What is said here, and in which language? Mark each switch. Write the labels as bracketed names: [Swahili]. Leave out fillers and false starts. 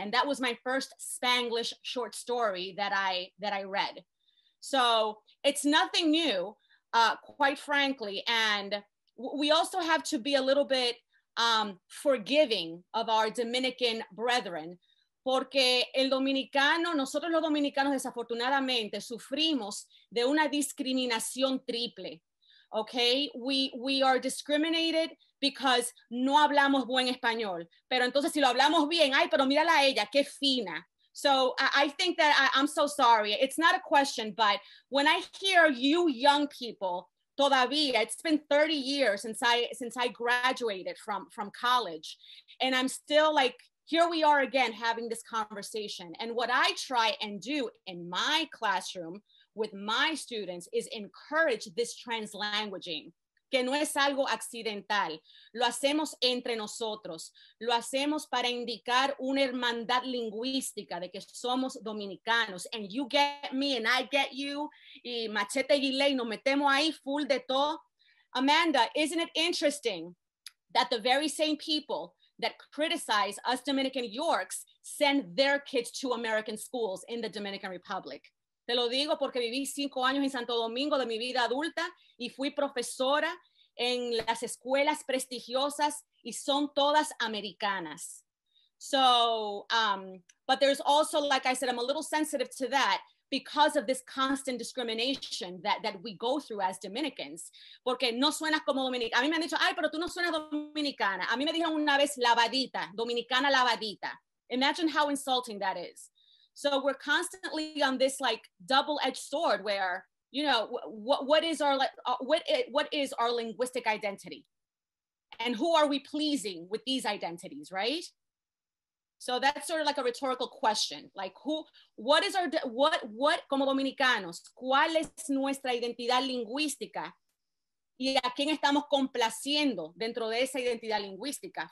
[English] And that was my first Spanglish short story that I read. So it's nothing new, quite frankly. And we also have to be a little bit forgiving of our Dominican brethren. [Spanish] Porque el dominicano, nosotros los dominicanos desafortunadamente sufrimos de una discriminación triple, okay? [English] We are discriminated because [Spanish] no hablamos buen español. Pero entonces si lo hablamos bien, ay, pero mírala a ella, qué fina. [English] So I think that I'm so sorry. It's not a question, but when I hear you young people, todavía, it's been 30 years since I graduated from college, and I'm still like, here we are again having this conversation. And what I try and do in my classroom with my students is encourage this translanguaging. [Spanish] Que no es algo accidental. Lo hacemos entre nosotros. Lo hacemos para indicar una hermandad lingüística de que somos dominicanos. [English] And you get me and I get you. [Spanish] Y machete y ley, nos metemos ahí full de todo. [English] Amanda, isn't it interesting that the very same people that criticize us Dominican Yorks send their kids to American schools in the Dominican Republic. [Spanish] Te lo digo porque viví 5 años en Santo Domingo de mi vida adulta y fui profesora en las escuelas prestigiosas y son todas americanas. [English] So, but there's also, like I said, I'm a little sensitive to that because of this constant discrimination that we go through as Dominicans. [Spanish] Porque no suenas como dominicana. A mí me han dicho, ay, pero tú no suenas dominicana. A mí me dijeron una vez lavadita, dominicana lavadita. [English] Imagine how insulting that is. So we're constantly on this like double-edged sword where, what is our linguistic identity? And who are we pleasing with these identities, right? So that's sort of like a rhetorical question. [Spanish] Like como dominicanos, ¿cuál es nuestra identidad lingüística? ¿Y a quién estamos complaciendo dentro de esa identidad lingüística?